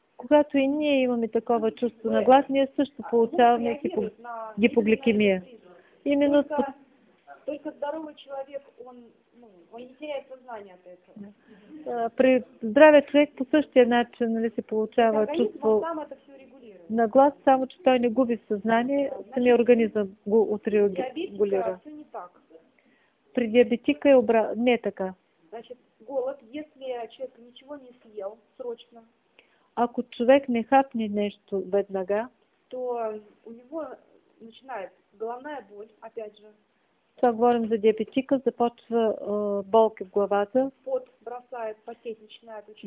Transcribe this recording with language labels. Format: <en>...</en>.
<bg>Когато и ние имаме такова чувство на глад, ние също получаваме гипогликемия.</bg> <ru>Именно Только здоровый человек, он не теряет съзнание от этого.</ru> <bg>При здравия човек по същия начин, нали, се получава чувство на глад, само че той не губи съзнание, самия организъм го отреагулира. При диабетика е не така.</bg> <ru>Значит, голод, если человек ничего не съел срочно,</ru> <bg>ако човек не хапне нещо веднага,</bg> <ru>то у него начинает головная боль, опять же.</ru> <bg>Това говорим за диабетика, започва болки в главата.</bg> <ru>Пот бросает, потеть начинает очень</ru>